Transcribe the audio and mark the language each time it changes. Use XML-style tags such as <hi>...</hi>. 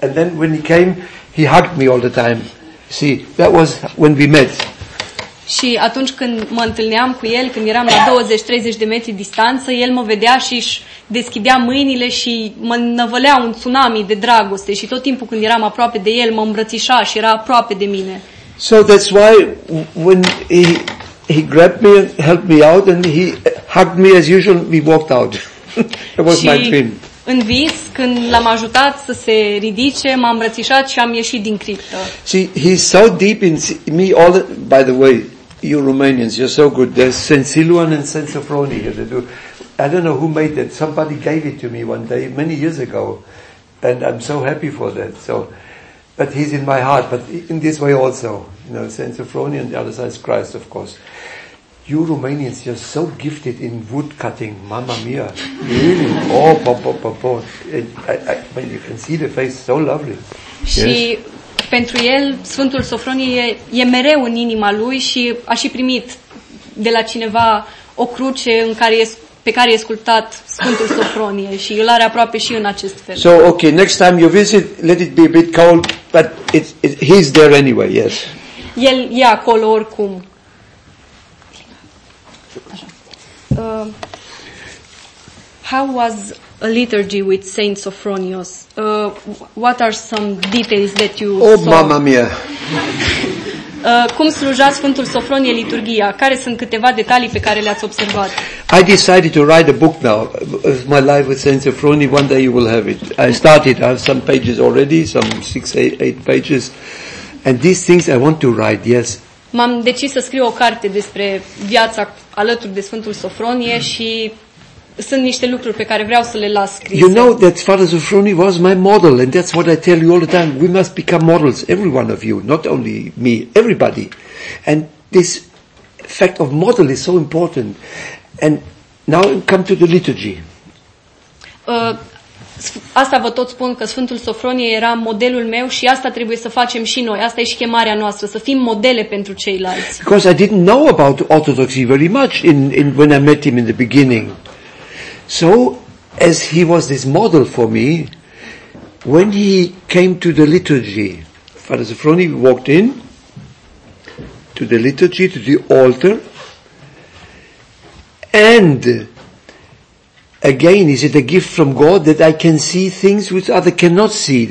<en>And then when he came, he hugged me all the time. See, that was when we met.</en> <ro>Și atunci când mă întâlneam cu el, când eram la 20-30 de metri distanță, el mă vedea și își deschidea mâinile și mă năvălea un tsunami de dragoste. Și tot timpul când eram aproape de el, mă îmbrățișa și era aproape de mine.</ro> <en>So that's why when he grabbed me and helped me out and he hugged me as usual, we walked out. It was my dream.</en> <ro>În vis, când l-am ajutat să se ridice, m-am îmbrățișat și am ieșit din criptă.</ro> <en>See, he's so deep in me all the, by the way, you Romanians, you're so good. There's Saint Siluan and Saint Sofronie here. I don't know who made that. Somebody gave it to me one day, many years ago. And I'm so happy for that. So, but he's in my heart, but in this way also. You know, Saint Sofronie and the other side is Christ, of course. You Romanians, you're so gifted in wood cutting, mamma mia! Really? Oh, I you can see the face, so lovely.</en> <ro>Și pentru el, Sfântul Sofronie e mereu în inima lui și a și primit de la cineva o cruce în care pe care e sculptat Sfântul Sofronie și îl are aproape și în acest fel.</ro> <en>So okay, next time you visit, let it be a bit cold, but he's there anyway. Yes.</en> <ro>El e acolo oricum.</ro> <en>How was a liturgy with Saint Sophronius? What are some details that you oh, saw?</en> <it>Oh, mamma mia!</it> <ro>Cum sluja Sfântul Sofronie liturgia? Care sunt câteva detalii pe care le-ați observat?</ro> <en>I decided to write a book now. My life with Saint Sofronie, one day you will have it. I started, I have some pages already, some 6-8 pages. And these things I want to write, yes.</en> <ro>M-am decis să scriu o carte despre viața alături de Sfântul Sofronie și sunt niște lucruri pe care vreau să le las scrise.</ro> <en>You know that Father Sofronie was my model and that's what I tell you all the time. We must become models, every one of you, not only me, everybody. And this fact of model is so important. And now come to the liturgy.</en> <ro>Asta vă tot spun, că Sfântul Sofronie era modelul meu și asta trebuie să facem și noi. Asta e și chemarea noastră, să fim modele pentru ceilalți.</ro> <en>Because I didn't know about orthodoxy very much in when I met him in the beginning. So, as he was this model for me, when he came to the liturgy, Father Sofronie walked in to the liturgy, to the altar, and again, is it a gift from God that I can see things which others cannot see?</en>